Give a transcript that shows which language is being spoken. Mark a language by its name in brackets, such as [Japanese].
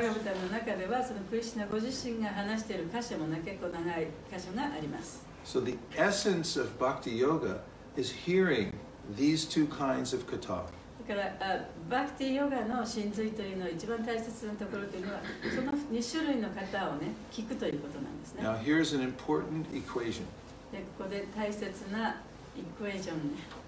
[Japanese] Bhagavatam の中ではそのクリシナご自身が話している箇所も結構長い箇所があります。 [English] So the essence of Bhakti Yoga is hearing these two kinds of kata. [Japanese] Bhakti Yoga の真髄というのを一番大切なところというのは、その2種類の方をね、聞くということなんですね。 [English] Now, here's an important equation. [Japanese] で、ここで大切なエクエーションね。